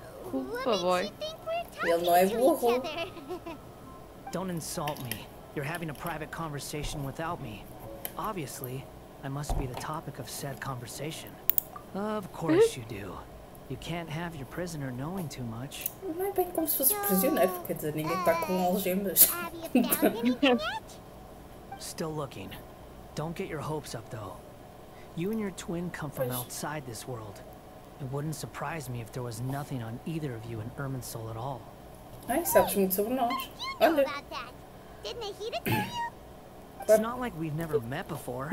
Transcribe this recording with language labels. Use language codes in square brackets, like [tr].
[en] What do you think we're talking to each other? Don't insult me. You're having a private conversation without me. Obviously, I must be the topic of said conversation. Of course you do. You can't have your prisoner knowing too much. [pt] Não é bem como se fosse prisioneiro, quer dizer, ninguém está com algemas. [en] Still looking. Don't get your hopes up, though. You and your twin come from outside this world. It wouldn't surprise me if there was nothing on either of you in Ermine's soul at all. [pt] Ai, sabes muito sobre nós. Olha. [en] Didn't he tell you? It's not like we've never met before.